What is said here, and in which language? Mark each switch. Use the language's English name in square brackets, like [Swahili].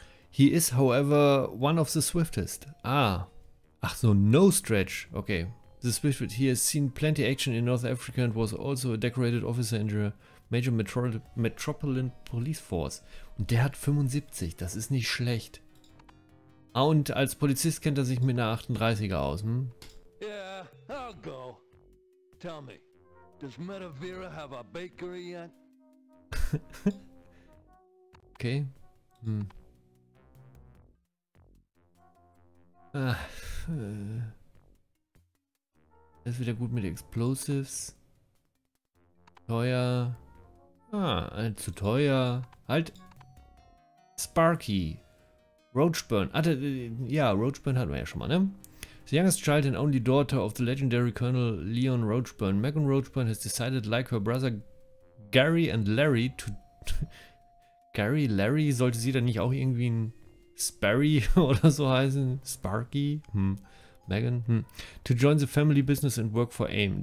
[English] He is, however, one of the swiftest. Ah. [German] Ach so, [English] no stretch. Okay. The swiftest. He has seen plenty action in North Africa and was also a decorated officer in the Major Metropolitan Police Force. [German] Und der hat 75. Das ist nicht schlecht. Ah, und als Polizist kennt er sich mit einer 38er aus, hm? [English] Yeah, I'll go. Tell me, does Metavira have a bakery yet? Okay. Hm. [German] Das ist wieder gut mit Explosives. Teuer. Ah, zu teuer. Halt. Sparky. Roachburn. Ah, ja, Roachburn hatten wir ja schon mal, ne? [English] The youngest child and only daughter of the legendary Colonel Leon Roachburn. Megan Roachburn has decided, like her brother Gary and Larry, to... [German] Gary, Larry, sollte sie dann nicht auch irgendwie ein Sparry oder so heißen? Sparky? Hm. Megan? Hm. [English] To join the family business and work for AIM.